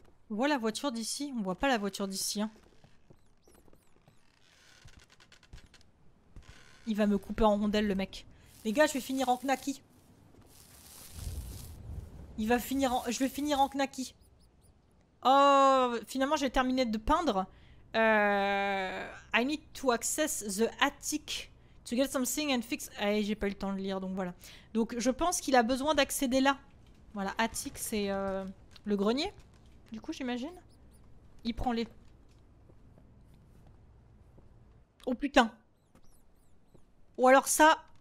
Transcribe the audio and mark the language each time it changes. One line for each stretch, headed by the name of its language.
French: On voit la voiture d'ici? On voit pas la voiture d'ici, hein. Il va me couper en rondelles, le mec. Les gars, je vais finir en knacki. Il va finir en... Je vais finir en knacki. Oh, finalement, j'ai terminé de peindre.
English: I need to access the attic to get something and fix...
French: Ah, j'ai pas eu le temps de lire, donc voilà. Donc, je pense qu'il a besoin d'accéder là. Voilà, attic, c'est le grenier. Du coup, j'imagine. Il prend les... Oh putain! Ou alors ça...